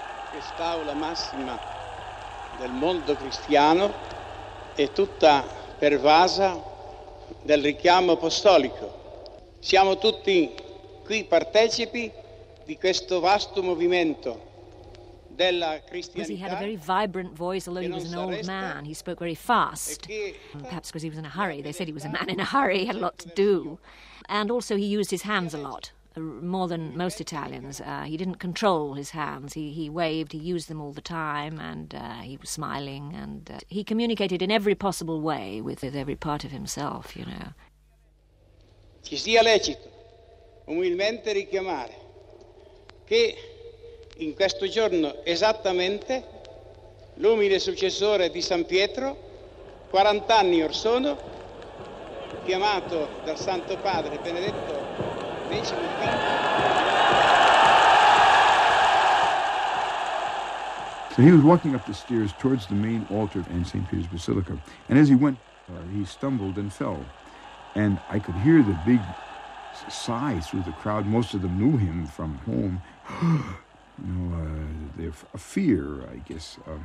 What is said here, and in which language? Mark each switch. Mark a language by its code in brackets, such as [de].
[it] quest'aula massima del mondo cristiano è tutta pervasa del richiamo apostolico. Siamo tutti qui partecipi di questo vasto movimento della cristianità. [en] Because he had a very vibrant voice, although he was an old man. He spoke very fast. Perhaps because he was in a hurry. They said he was a man in a hurry, had a lot to do. And also he used his hands a lot, more than most Italians. He didn't control his hands. He waved, he used them all the time, and he was smiling, and he communicated in every possible way with every part of himself, you know. [it] Ci sia lecito umilmente richiamare che in questo giorno esattamente l'umile successore di San Pietro, 40 anni or sono, chiamato dal Santo Padre Benedetto XV. [en] So he was walking up the stairs towards the main altar in St. Peter's Basilica, and as he went, he stumbled and fell. And I could hear the big sigh through the crowd. Most of them knew him from home. You know, they're a fear, I guess.